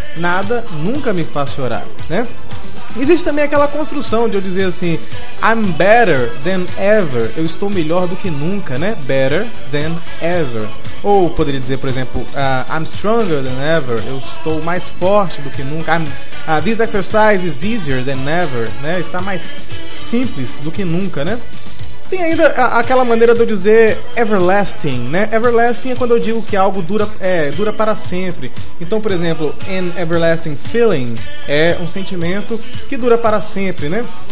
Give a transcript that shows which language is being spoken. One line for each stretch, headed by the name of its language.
Portuguese: Nada nunca me faz chorar, né? Existe também aquela construção de eu dizer assim,
English: I'm better than ever.
Portuguese: Eu estou melhor do que nunca, né?
English: Better than ever.
Portuguese: Ou poderia dizer, por exemplo,
English: I'm stronger than ever.
Portuguese: Eu estou mais forte do que nunca.
English: This exercise is easier than ever, né?
Portuguese: Está mais simples do que nunca, né? Tem ainda aquela maneira de eu dizer everlasting, né? Everlasting é quando eu digo que algo dura para sempre. Então, por exemplo,
English: an everlasting feeling
Portuguese: é um sentimento que dura para sempre, né?